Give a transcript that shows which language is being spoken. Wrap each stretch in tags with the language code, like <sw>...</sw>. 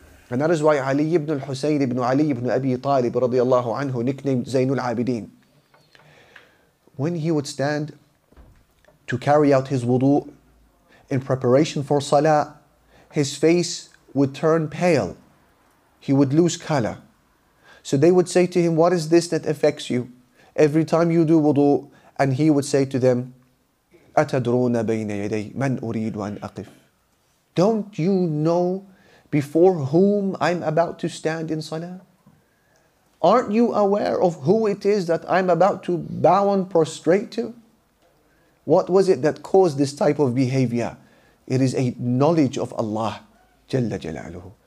<en>And that is why Ali ibn al-Husayn ibn Ali ibn Abi Talib radiallahu anhu, nicknamed Zainul Abideen, when he would stand to carry out his wudu in preparation for salah, his face would turn pale. He would lose color. So they would say to him, what is this that affects you every time you do wudu? And he would say to them,</en> <ar>أَتَدْرُونَ بَيْنَ يَدَيْ مَنْ أُرِيدُ أَنْ أَقِفْ.</ar> <en>Don't you know before whom I'm about to stand in salah? Aren't you aware of who it is that I'm about to bow and prostrate to? What was it that caused this type of behavior? It is a knowledge of Allah Jalla Jalaluhu.</en>